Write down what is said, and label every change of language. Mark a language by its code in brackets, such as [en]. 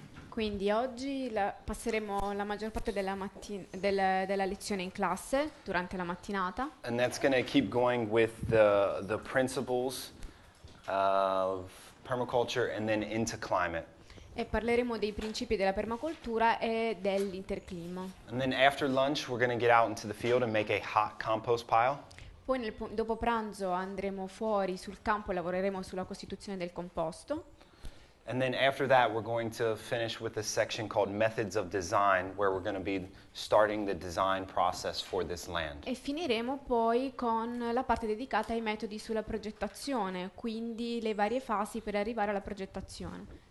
[it] Quindi oggi passeremo la maggior parte della lezione in classe durante la mattinata. [en] And that's going to keep going with the principles of permaculture and then into climate. [it] E parleremo dei principi della permacultura e dell'interclima. [en] And then after lunch we're going to get out into the field and make a hot compost pile. [it] Poi dopo pranzo andremo fuori sul campo e lavoreremo sulla costituzione del composto. [en] And then after that we're going to finish with a section called methods of design where we're going to be starting the design process for this land. [it] E finiremo poi con la parte dedicata ai metodi sulla progettazione, quindi le varie fasi per arrivare alla progettazione.